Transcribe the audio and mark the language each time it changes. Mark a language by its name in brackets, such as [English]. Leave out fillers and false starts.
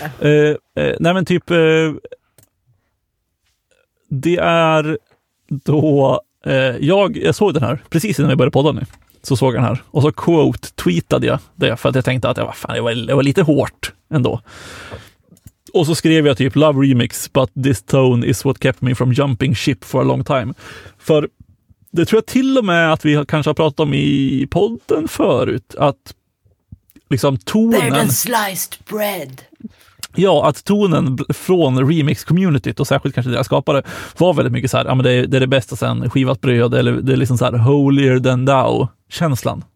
[Swedish] Nej, men typ det är då jag såg den här precis innan vi började podda nu. Så såg jag den här och så quote tweetade jag det, för att jag tänkte att jag var lite hårt ändå. Och så skrev jag typ [English] love remix, but this tone is what kept me from jumping ship for a long time. [Swedish] För det tror jag till och med att vi kanske har pratat om i podden förut, att liksom tonen... [English] They're the sliced bread. [Swedish] Ja, att tonen från remix-communityt, och särskilt kanske deras skapare, var väldigt mycket så här, ja, men det är det bästa sen skivat bröd, eller det är liksom så här [English] holier than thou- [Swedish] känslan.